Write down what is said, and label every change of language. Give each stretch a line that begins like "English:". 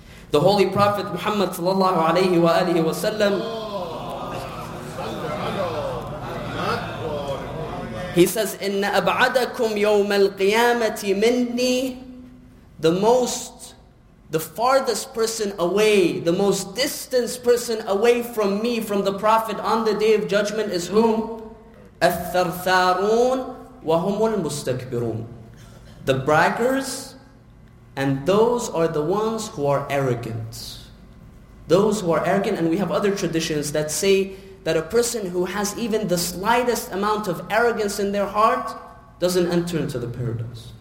English: The Holy Prophet Muhammad sallallahu alayhi wa alihi wa sallam, he says,
Arabic: إِنَّ أَبْعَدَكُمْ يَوْمَ الْقِيَامَةِ مِنِّي,
English: the most, the farthest person away, the most distanced person away from me, from the Prophet on the Day of Judgment, is whom?
Arabic: الثرثارون وهم المستكبرون.
English: The braggers, and those are the ones who are arrogant. Those who are arrogant, and we have other traditions that say that a person who has even the slightest amount of arrogance in their heart doesn't enter into the paradise.